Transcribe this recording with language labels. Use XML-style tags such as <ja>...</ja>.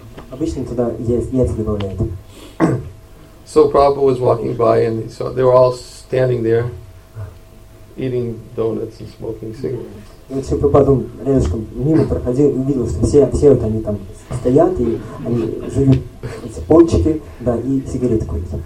<ru>Обычно туда яйца добавляют.</ru> <en>So Prabhupada was walking by, and so they were all standing there, eating donuts and smoking cigarettes.</en> <ru>И вот Шрила рядышком мимо проходил и увидел, что все вот они там стоят, и они жуют эти пончики, да, и сигареты курят.</ru>